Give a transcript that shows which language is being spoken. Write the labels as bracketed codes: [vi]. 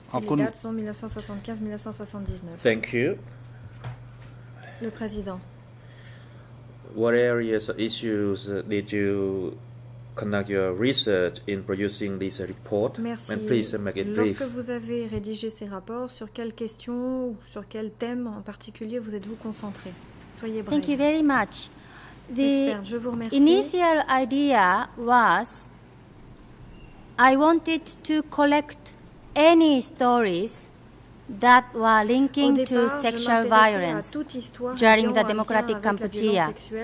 [fr] Les dates sont 1975-1979. [en] Thank you. [fr] Le président. [en] What areas or issues did you conduct your research in producing this report? [fr] Merci. [en] And please make it [fr] Lorsque [en] brief. [fr] Lorsque vous avez rédigé ces rapports, sur quelles questions ou sur quel thème en particulier vous êtes-vous concentré? Soyez bref. [en] Thank you very much. The Expert, [fr] je vous remercie. [en] Initial idea was I wanted to collect any stories that were linking to sexual violence during the Democratic Cambodia.